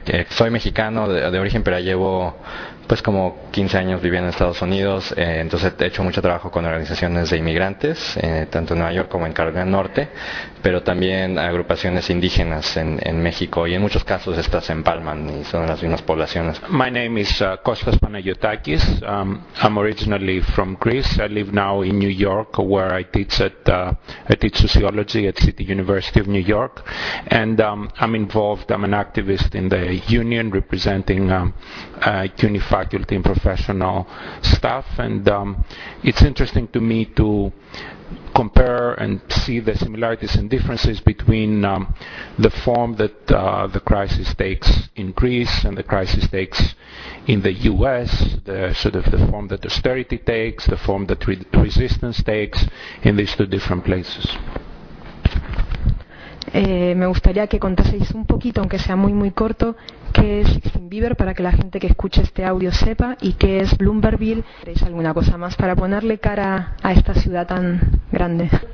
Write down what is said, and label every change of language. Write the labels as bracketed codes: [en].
[es] Soy mexicano de origen, pero llevo pues como 15 años viviendo en Estados Unidos, entonces he hecho mucho trabajo con organizaciones de inmigrantes, tanto en Nueva York como en Carolina del Norte, pero también agrupaciones indígenas en México, y en muchos casos estas se empalman y son las mismas poblaciones. [en] My name is Kostas Panayotakis. I'm originally from Greece. I live now in New York, where I teach sociology at City University of New York, and I'm an activist in the union representing faculty and professional staff, and it's interesting to me to compare and see the similarities and differences between the form that the crisis takes in Greece and the crisis takes in the U.S., the sort of the form that austerity takes, the form that resistance takes in these two different places. [es] Me gustaría que contaseis un poquito, aunque sea muy muy corto, qué es Sixteen Beaver para que la gente que escuche este audio sepa, y qué es Bloombergville. ¿Tenéis alguna cosa más para ponerle cara a esta ciudad tan grande?